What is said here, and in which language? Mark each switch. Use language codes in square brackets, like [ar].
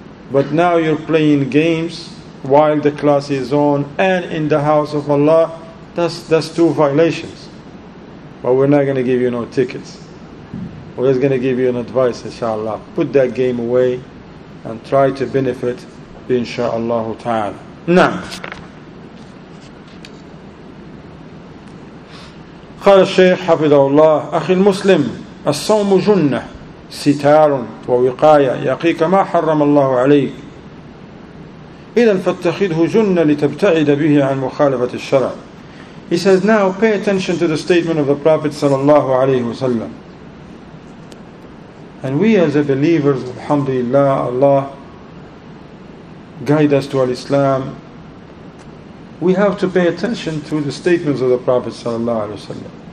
[en] But now you're playing games while the class is on and in the house of Allah. That's two violations. But we're not going to give you no tickets. We're just going to give you an advice, inshallah. Put that game away and try to benefit, insha'Allah ta'ala. [ar] Now, قال الشيخ حفظه الله أخي المسلم الصوم جنة ستار ووقاية يقيك ما حرم الله عليك إذن فاتخذه جنة لتبتعد به عن مخالفة الشرع. [en] He says, now pay attention to the statement of the Prophet sallallahu alayhi wa sallam. And we as a believers, alhamdulillah, Allah guide us to al-Islam, we have to pay attention to the statements of the Prophet sallallahu alayhi wa sallam.